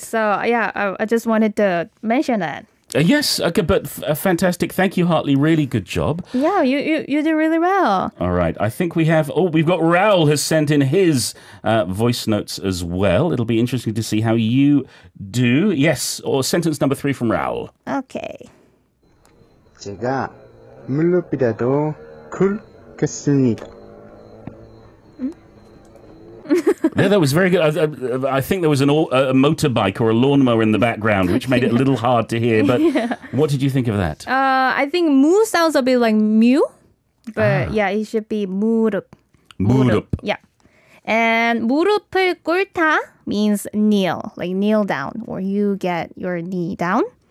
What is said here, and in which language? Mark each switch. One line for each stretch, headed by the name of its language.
English: So, yeah, I just wanted to mention that. Yes, okay, but fantastic. Thank you, Hartley. Really good job. Yeah, you did really well. All right. I think we've got Raul has sent in his voice notes as well. It'll be interesting to see how you do. Yes, or sentence number three from Raul. Okay.
Korean: 제가 무릎이라도 꿇겠습니다.
English: Yeah, that was very good. I think there was a motorbike or a lawnmower in the background, which made it a little hard to hear. But what did you think of that? I think mu sounds a bit like mu, but it should be 무릎.
Korean: 무릎.
English: Yeah. And
Korean: 무릎을 꿇다
English: means kneel, like kneel down, or you get your knee down.